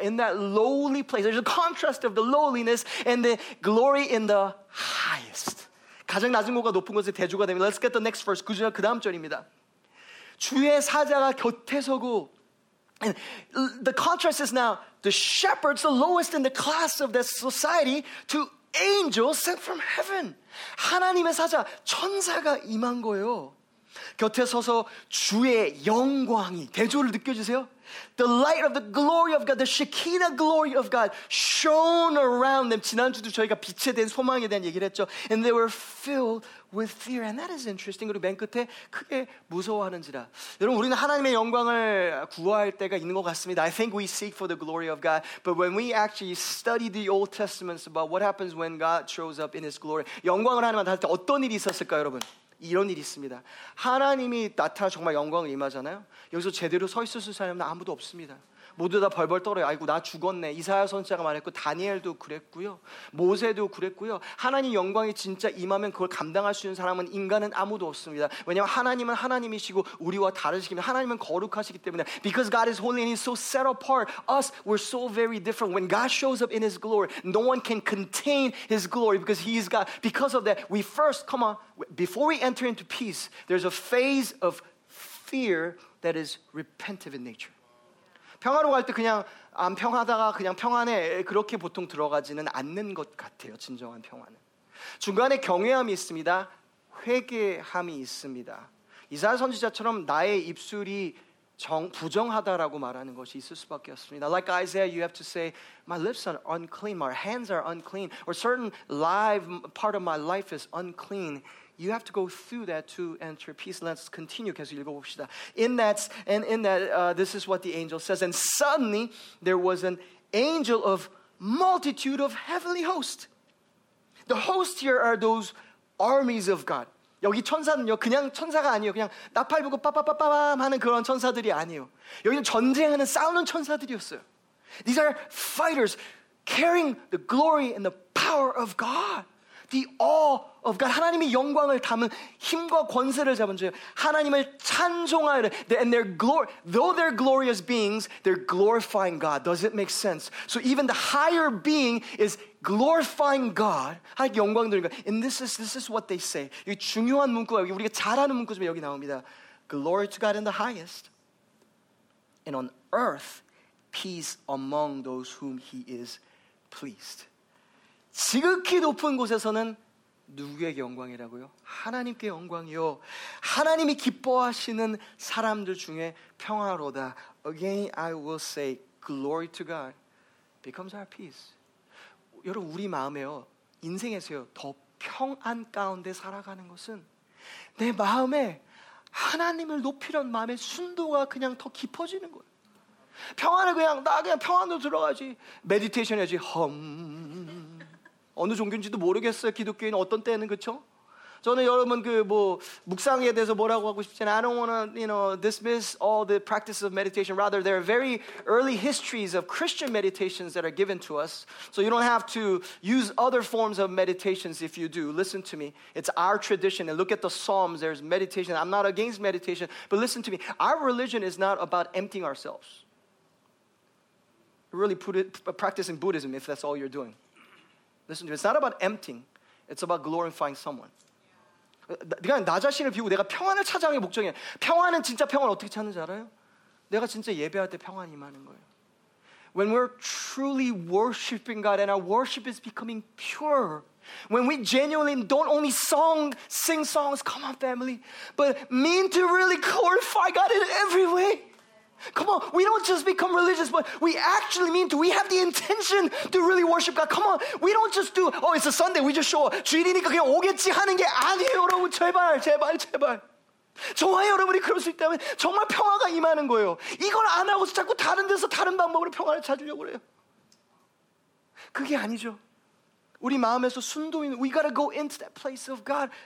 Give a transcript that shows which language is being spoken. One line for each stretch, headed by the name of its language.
English: In that lowly place, there's a contrast of the lowliness and the glory in the highest.
Korean: 가장 낮은 곳과 높은 곳에 대조가 됩니다.
English: Let's get the next verse.
Korean: 구절 그 다음 절입니다. 주의 사자가 곁에 서고.
English: And the contrast is now the shepherds, the lowest in the class of that society, to angels sent from heaven.
Korean: 하나님의 사자, 천사가 임한 거예요. 곁에 서서 주의 영광이, 대조를 느껴지세요?
English: The light of the glory of God, the Shekinah glory of God shone around them.
Korean: 지난주도 저희가 빛에 대한 소망에 대한 얘기를 했죠.
English: And they were filled with fear. And that is interesting.
Korean: 그리고 맨 끝에 크게 무서워하는지라. 여러분, 우리는 하나님의 영광을 구할 때가 있는 것 같습니다.
English: I think we seek for the glory of God. But when we actually study the Old Testament about what happens when God shows up in His glory,
Korean: 영광을 하나님한테 할 때 어떤 일이 있었을까요, 여러분? 이런 일이 있습니다. 하나님이 나타나 정말 영광을 임하잖아요. 여기서 제대로 서 있을 수 있는 사람은 아무도 없습니다. 모두 다 벌벌 떨어요. 아이고, 나 죽었네. 이사야 선지자가 말했고, 다니엘도 그랬고요. 모세도 그랬고요. 하나님 영광이 진짜 임하면 그걸 감당할 수 있는 사람은 인간은 아무도 없습니다. 왜냐하면 하나님은 하나님이시고 우리와 다르시기면 하나님은 거룩하시기 때문에
English: Because God is holy and He's so set apart, us, we're so very different. When God shows up in His glory, no one can contain His glory because He is God. Because of that, we first, come on, before we enter into peace, there's a phase of fear that is repentive in nature.
Korean: 평화로 갈 때 그냥 안 평화하다가 그냥 평안해 그렇게 보통 들어가지는 않는 것 같아요. 진정한 평화는 중간에 경외함이 있습니다. 회개함이 있습니다. 이사야 선지자처럼 나의 입술이 부정하다라고 말하는 것이 있을 수밖에 없습니다.
English: Like Isaiah, you have to say, my lips are unclean, my hands are unclean, or certain live part of my life is unclean. You have to go through that to enter peace. Let's continue.
Korean: 계속 읽어봅시다.
English: This is what the angel says. And suddenly, there was an angel of multitude of heavenly hosts. The hosts here are those armies of God.
Korean: 여기 천사는요, 그냥 천사가 아니에요. 그냥 나팔 불고 빠빠빠빠밤 하는 그런 천사들이 아니에요. 여기는 전쟁하는, 싸우는 천사들이었어요.
English: These are fighters carrying the glory and the power of God. The awe of God,
Korean: 하나님의 영광을 담은 힘과 권세를 잡은 주여, 하나님을 찬송하여,
English: and their glory, though they're glorious beings, they're glorifying God. Does it make sense? So even the higher being is glorifying God,
Korean: 하나님께 영광 드리는 거예요.
English: And this is what they say.
Korean: 이 중요한 문구가 여기, 우리가 잘 아는 문구 중에 여기 나옵니다.
English: Glory to God in the highest, and on earth, peace among those whom He is pleased.
Korean: 지극히 높은 곳에서는 누구에게 영광이라고요? 하나님께 영광이요. 하나님이 기뻐하시는 사람들 중에 평화로다.
English: Again, I will say, glory to God becomes our peace.
Korean: 여러분, 우리 마음에요, 인생에서요, 더 평안 가운데 살아가는 것은 내 마음에 하나님을 높이려는 마음의 순도가 그냥 더 깊어지는 거예요. 평안을 그냥, 나 그냥 평안으로 들어가지. 메디테이션 해야지. 어느 종교인지도 모르겠어요. 기독교인 어떤 때는, 그쵸? 저는 여러분 그 뭐 묵상에 대해서 뭐라고 하고 싶지는,
English: I don't want to, you know, dismiss all the practices of meditation. Rather, there are very early histories of Christian meditations that are given to us. So you don't have to use other forms of meditations if you do. Listen to me. It's our tradition. And look at the Psalms. There's meditation. I'm not against meditation. But listen to me. Our religion is not about emptying ourselves. Really put it, practicing Buddhism, if that's all you're doing. Listen to me. It's not about emptying. It's about glorifying someone.
Korean: 그냥 나 자신을 비우고 내가 평안을 찾아온 게 목적이에요. 평안은 진짜 평안을 어떻게 찾는지 알아요? 내가 진짜 예배할 때 평안이 임하는 거예요.
English: When we're truly worshiping God and our worship is becoming pure, when we genuinely don't only sing songs, come on family, but mean to really glorify God in every way. Come on, we don't just become religious, but we actually mean to. We have the intention to really worship God. Come on, we don't just do, oh, it's a Sunday, we just show up.
Korean: 주일이니까 그냥 오겠지 하는 게 아니에요, 여러분. 제발, 제발, 제발. 저와 여러분이 그럴 수 있다면 정말 평화가 임하는 거예요. 이걸 안 하고서 자꾸 다른 데서 다른 방법으로 평화를 찾으려고 그래요. 그게 아니죠. 우리 마음에서 순도 있는,
English: we gotta go into that place of God.